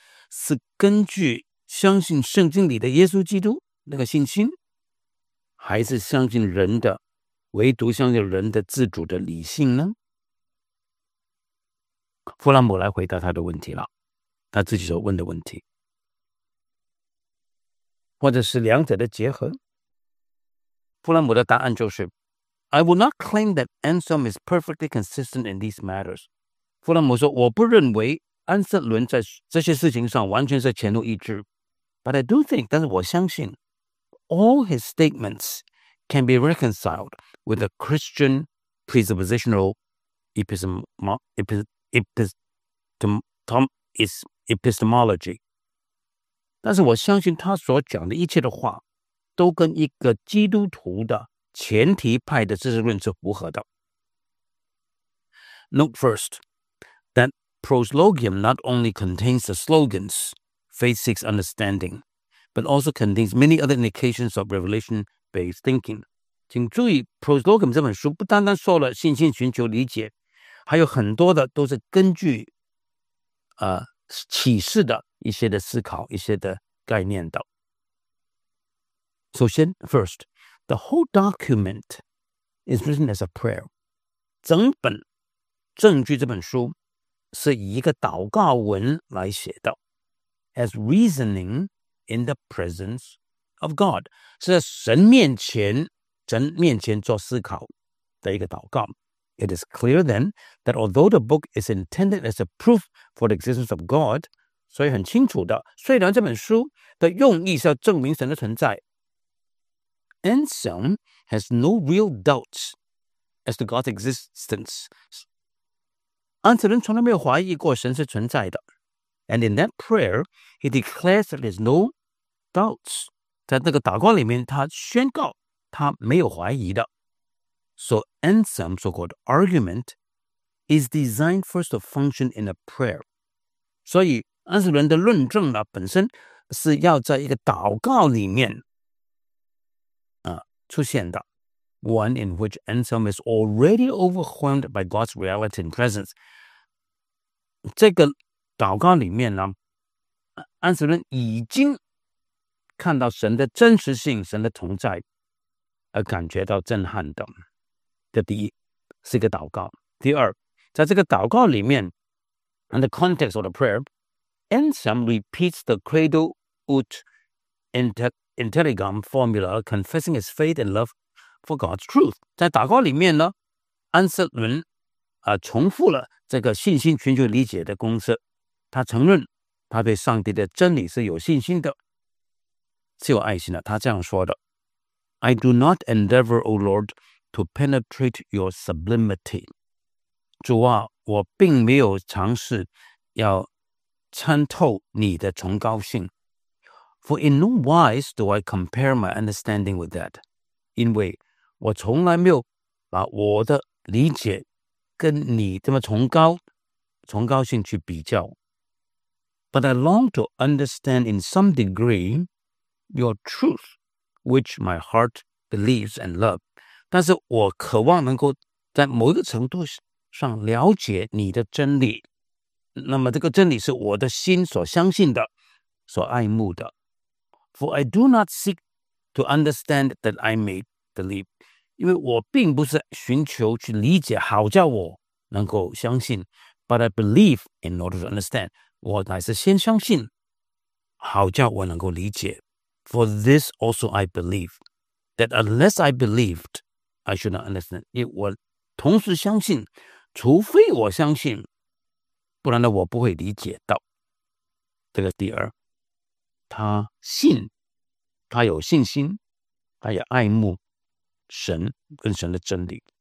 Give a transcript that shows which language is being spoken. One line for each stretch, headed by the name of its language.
Chinese: 是根据相信圣经里的耶稣基督那个信心，还是相信人的，唯独相信人的自主的理性呢？弗兰姆来回答他的问题了，他自己所问的问题，或者是两者的结合。
English: 弗兰姆的答案就是 I will not claim that Anselm is perfectly consistent in these matters.
Chinese: 弗兰姆说，我不认为安瑟伦在这些事情上完全是前后一致。
English: But I do think,
Chinese: 但是我相信
English: all his statements can be reconciled with a Christian presuppositional epistemology.
Chinese: 但是我相信他所讲的一切的话都跟一个基督徒的前提派的知识论是符合的。
English: Note first that Proslogium not only contains the slogans Faith Seeks Understanding but also contains many other indications of revelation based thinking.
Chinese: 请注意 Proslogium 这本书不单单说了信心寻求理解，还有很多的都是根据启示的一些的思考，一些的概念的。
English: 首先 ，first， the whole document is written as a prayer.
Chinese: 整本证据这本书是以一个祷告文来写的 ，
English: as reasoning in the presence of God，
Chinese: 是在神面前做思考的一个祷告。
English: It is clear then that although the book is intended as a proof for the existence of God，
Chinese: 所以很清楚的，虽然这本书的用意是要证明神的存在，
English: Anselm has no real doubts as to God's existence.
Chinese: 安提伦从来没有怀疑过神是存在的。
English: And in that prayer, he declares that there's no doubts.
Chinese: 在那个祷告里面，他宣告他没有怀疑的。
English: So Anselm, so-called argument, is designed first to function in a prayer.
Chinese: 所以安提伦的论证呢，本身是要在一个祷告里面出现的。
English: One in which Anselm is already overwhelmed by God's reality and presence.
Chinese: 这个祷告里面呢，安提伦已经看到神的真实性、神的同在，而感觉到震撼的。这第一是一个祷告。第二，在这个祷告里面
English: ，in the context of the prayer, Anselm repeats the Credo ut Intelligam formula, confessing his faith and love for God's truth.
Chinese: 在祷告里面呢，安提伦重复了这个信心寻求理解的公式。他承认他对上帝的真理是有信心的，是有爱心的。他这样说的 ：
English: “I do not endeavor, O Lord, to penetrate your sublimity.
Chinese: 主啊，我并没有尝试要参透你的崇高性。
English: For in no wise do I compare my understanding with that.
Chinese: 因为我从来没有把我的理解跟你这么崇高性去比较。”
English: But I long to understand in some degree your truth, which my heart believes and love.
Chinese: 但是我渴望能够在某一个程度上了解你的真理。那么这个真理是我的心所相信的，所爱慕的。
English: For I do not seek to understand that I may believe.
Chinese: 因为我并不是寻求去理解，好叫我能够相信。
English: But I believe in order to understand.
Chinese: 我乃是先相信，好叫我能够理解。
English: For this also I believe, that unless I believed, I should not understand.
Chinese: 因为我同时相信，除非我相信，不然呢我不会理解到。这个第二，他信，他有信心，他也爱慕神跟神的真理。